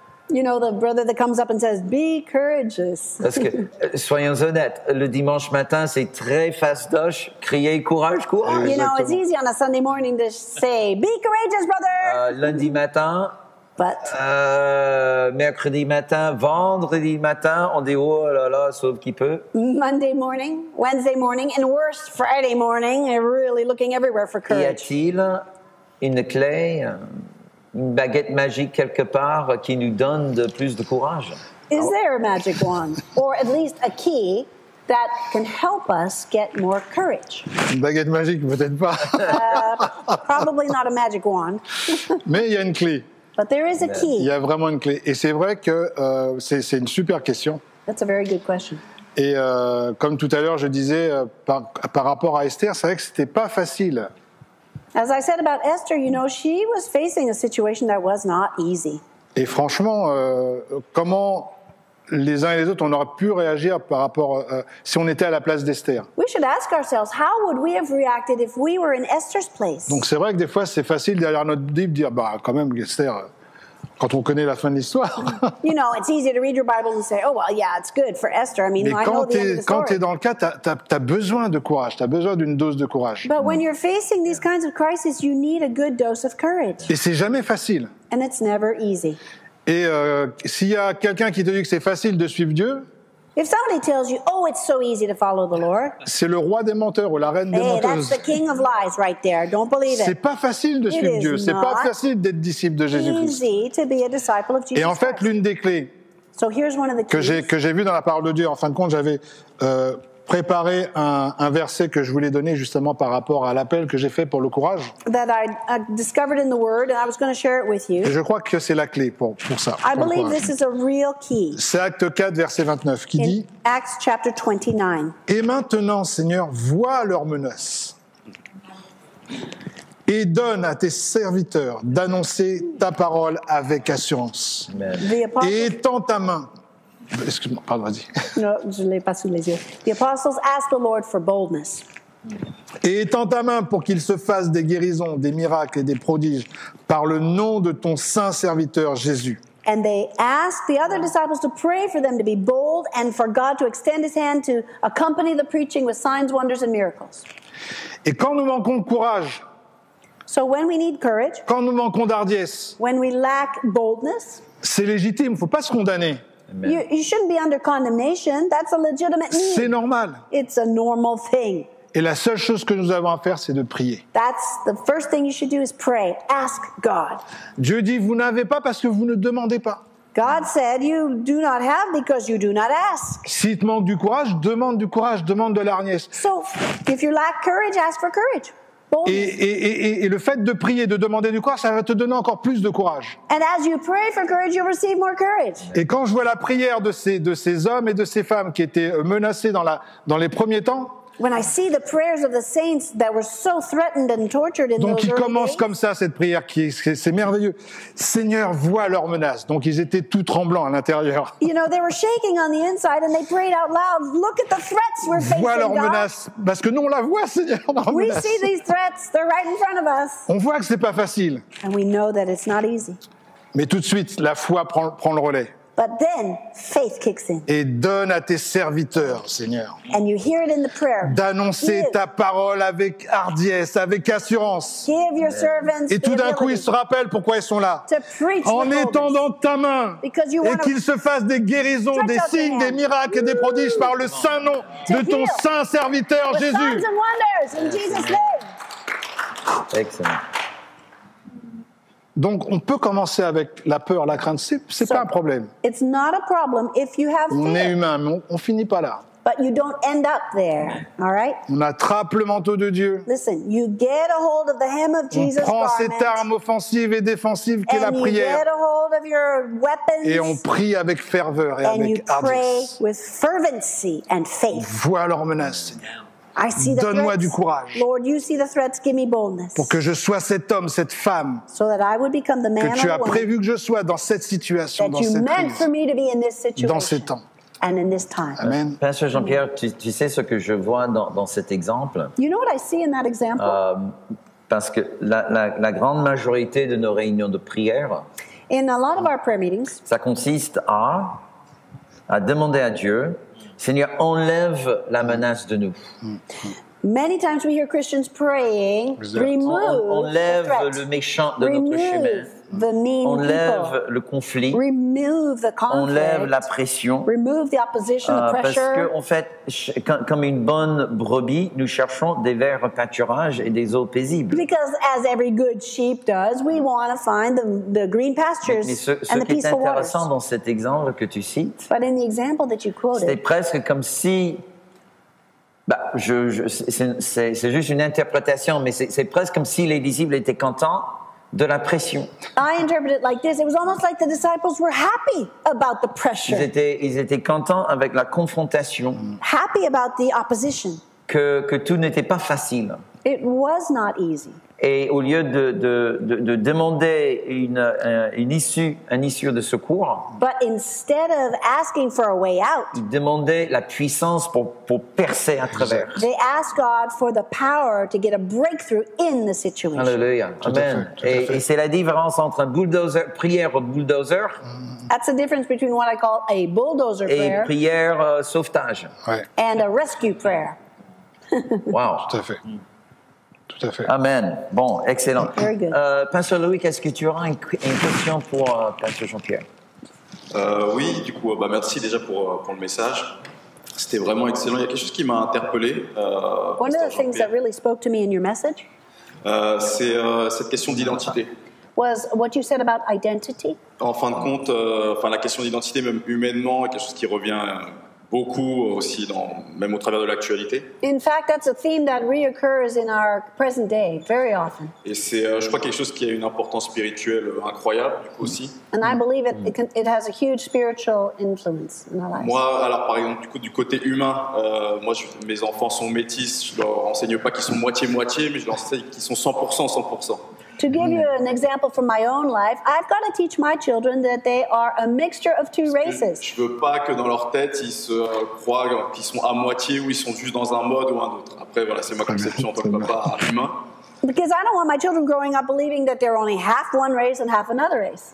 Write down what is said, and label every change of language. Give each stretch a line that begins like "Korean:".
English: You know the brother that comes up and says be courageous.
French: Parce que soyons honnêtes, le dimanche matin c'est très fastoche crier courage.
English: You
French: exactement.
English: Know it's easy on a Sunday morning to say be courageous brother.
French: Lundi matin.
English: But
French: mercredi matin, vendredi matin, on dit oh là là, sauf qui peut.
English: Monday morning, Wednesday morning, and worse, Friday morning, and really looking everywhere for courage.
French: Y a-t-il une clé, une baguette magique quelque part qui nous donne de plus de courage?
English: Is there a magic wand, or at least a key that can help us get more courage?
French: Une baguette magique, peut-être pas.
English: Probably not a magic wand.
French: Mais il y a une clé.
English: But there is a key.
French: Il y a vraiment une clé. Et c'est vrai que c'est une super question.
English: That's a very good question.
French: Et comme tout à l'heure, je disais, par rapport à Esther, c'est vrai que ce n'était pas facile.
English: As I said about Esther, you know, she was facing a situation that was not easy.
French: Et franchement, comment les uns et les autres, on aurait pu réagir par rapport, si on était à la place d'Esther.
English: We should ask ourselves, how would we have reacted if we were in Esther's place?
French: Donc c'est vrai que des fois, c'est facile derrière notre Bible de dire, bah quand même, Esther, quand on connaît la fin de l'histoire.
English: You know, it's easy to read your Bible and say, oh well, yeah, it's good for Esther. I mean,
French: mais
English: I know the end of the story.
French: Quand t'es dans le cas, t'as besoin de courage, t'as besoin d'une dose de courage.
English: But when you're facing these kinds of crises, you need a good dose of courage.
French: Et c'est jamais facile.
English: And it's never easy.
French: Et s'il y a quelqu'un qui te dit que c'est facile de suivre Dieu,
English: if somebody tells you, oh, it's so easy to follow the Lord,
French: c'est le roi des menteurs ou la reine des menteuses.
English: That's the king of lies right there. Don't believe it.
French: C'est pas facile de suivre Dieu. C'est pas facile d'être disciple de Jésus-Christ. Et en fait, l'une des clés que j'ai vu dans la parole de Dieu, en fin de compte, j'avais préparé un verset que je voulais donner justement par rapport à l'appel que j'ai fait pour le courage.
English: That I discovered in the Word, and I was going to share it with you.
French: Et je crois que c'est la clé pour ça.
English: I believe this is a real key.
French: C'est Acte 4, verset 29, qui dit.
English: Acts chapter 29.
French: Et maintenant, Seigneur, vois leurs menaces et donne à tes serviteurs d'annoncer ta parole avec assurance. Amen. Et étends ta main. Excuse-moi, pardon, vas-y. Non, je ne l'ai pas sous les yeux.
English: The apostles asked the Lord for boldness.
French: Et étends ta main pour qu'il se fasse des guérisons, des miracles et des prodiges par le nom de ton saint serviteur Jésus.
English: And they asked the other disciples to pray for them to be bold and for God to extend his hand to accompany the preaching with signs, wonders, and miracles.
French: Et quand nous manquons de courage,
English: so when we need courage,
French: quand nous manquons d'hardiesse,
English: when we lack boldness,
French: c'est légitime, il ne faut pas se condamner.
English: You shouldn't be under condemnation. That's a legitimate need.
French: C'est normal.
English: It's a normal thing.
French: Et la seule chose que nous avons à faire, c'est de prier.
English: That's the first thing you should do is pray. Ask God.
French: Dieu dit, vous n'avez pas parce que vous ne demandez pas.
English: God said, you do not have because you do not ask.
French: Si tu manques du courage, demande de l'hardiesse.
English: So, if you lack courage, ask for courage.
French: Et le fait de prier, de demander du courage, ça va te donner encore plus de courage.
English: And as you pray for courage, you'll receive more courage.
French: Et quand je vois la prière de ces hommes et de ces femmes qui étaient menacés dans les premiers temps,
English: when I see the prayers of the saints that were so threatened and tortured in
French: donc
English: those
French: ils commencent
English: days,
French: comme ça cette prière qui c'est merveilleux. Seigneur, vois leurs menaces. Donc ils étaient tout tremblants à l'intérieur.
English: You know, they were shaking on the inside and they prayed out loud, look at the threats we're facing.
French: Vois leurs menaces parce que nous on la voit, Seigneur, leurs menaces.
English: We see these threats, they're right in front of us.
French: On voit que c'est pas facile.
English: And we know that it's not easy.
French: Mais tout de suite la foi prend le relais.
English: But then faith kicks in.
French: Et donne à tes serviteurs, Seigneur,
English: and you hear it in the prayer,
French: d'annoncer ta parole avec hardiesse, avec assurance.
English: Give your servants
French: et tout d'un coup, ils se rappellent pourquoi ils sont là. En étendant ta main et qu'ils se fassent des guérisons, des signes, des miracles et des prodiges par le saint nom de ton saint serviteur, Jésus. Excellent. Donc, on peut commencer avec la peur, la crainte. C'est pas un problème.
English: It's not a problem if you have fear.
French: On est humain, mais on finit pas là.
English: But you don't end up there, all right?
French: On attrape le manteau de Dieu.
English: Listen, you get a hold of the hem of Jesus.
French: On prend cette arme offensive et défensive qu'est la prière.
English: And you get a hold of your weapons.
French: Et on prie avec ferveur et avec ardeur.
English: And you pray with fervency and faith.
French: Vois leurs menaces.
English: I see the
French: donne-moi
English: threats.
French: Du courage.
English: Lord, you see the threats, give me boldness.
French: Pour que je sois cet homme, cette femme
English: so that I would become the man
French: que tu as prévu que je sois dans cette situation,
English: that
French: dans
English: you
French: cette
English: meant
French: crise,
English: for me to be in this situation, dans ces temps. And in this time. Amen.
French: Pasteur Jean-Pierre, tu sais ce que je vois dans cet exemple?
English: You know what I see in that example?
French: Parce que la grande majorité de nos réunions de prière,
English: in a lot of our prayer meetings,
French: ça consiste à demander à Dieu, Seigneur, enlève la menace de nous.
English: Many times we hear Christians praying, remove
French: enlève le méchant de
English: remove
French: notre chemin. Enlève
English: people.
French: Le conflit.
English: Remove the conflict.
French: Enlève la pression.
English: Remove the opposition, the pressure.
French: Parce qu'en fait, comme une bonne brebis, nous cherchons des verts pâturages et des eaux paisibles.
English: Because as every good sheep does, we want to find the green pastures and the peaceful
French: Mais ce qui est intéressant
English: waters.
French: Dans cet exemple que tu cites,
English: but in the example that you quoted,
French: c'est presque comme si c'est juste une interprétation, mais c'est presque comme si les disciples étaient contents de la pression.
English: I interpret it like this. It was almost like the disciples were happy about the pressure.
French: Ils étaient contents avec la confrontation.
English: Happy about the opposition.
French: Que tout n'était pas facile.
English: It was not easy.
French: Et au lieu de demander une issue de secours,
English: but instead of asking for a way out,
French: ils demandaient la puissance pour percer à travers.
English: They asked God for the power to get a breakthrough in the situation.
French: Alléluia. Amen. Et c'est la différence entre un bulldozer, prière bulldozer.
English: That's the difference between what I call a bulldozer
French: et
English: prayer.
French: Et prière sauvetage. Ouais.
English: And a rescue prayer. Wow.
French: Tout à fait. Tout à fait. Amen. Bon, excellent.
English: Very good.
French: Pasteur Loïc, est-ce que tu auras une question pour Pasteur Jean-Pierre? Oui, du coup, merci déjà pour le message. C'était vraiment excellent. Il y a quelque chose qui m'a interpellé.
English: One of the things that really spoke to me in your message.
French: C'est cette question d'identité.
English: Was what you said about identity.
French: En fin de compte, la question d'identité, même humainement, est quelque chose qui revient beaucoup aussi même au travers de l'actualité.
English: In fact, that's a theme that reoccurs in our present day very often.
French: Et c'est, je crois, quelque chose qui a une importance spirituelle incroyable, du coup aussi.
English: And I believe it has a huge spiritual influence in our lives.
French: Moi, alors par exemple, du coup, du côté humain, mes enfants sont métis. Je leur enseigne pas qu'ils sont moitié moitié, mais je leur enseigne qu'ils sont 100%.
English: To give you an example from my own life, I've got to teach my children that they are a mixture of two races.
French: Je veux pas que dans leur tête ils se croient qu'ils sont à moitié ou ils sont juste dans un mode ou un autre. Après, voilà, c'est ma conception en tant que papa humain.
English: Because I don't want my children growing up believing that they're only half one race and half another race.